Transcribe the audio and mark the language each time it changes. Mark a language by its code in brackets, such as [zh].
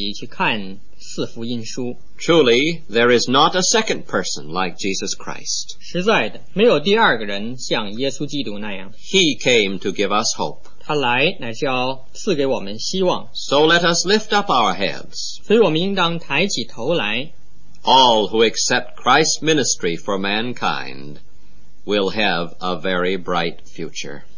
[zh] 所以我希望你能买一本圣经,自己去看四福音书。 [en] Truly, there is not a second person like Jesus Christ. [zh] 实在的,没有第二个人像耶稣基督那样。 [en] He came to give us hope. [zh] 他来乃是要赐给我们希望。 [en] So let us lift up our heads. [zh] 所以我们应当抬起头来。 [en] All who accept Christ's ministry for mankind will have a very bright future.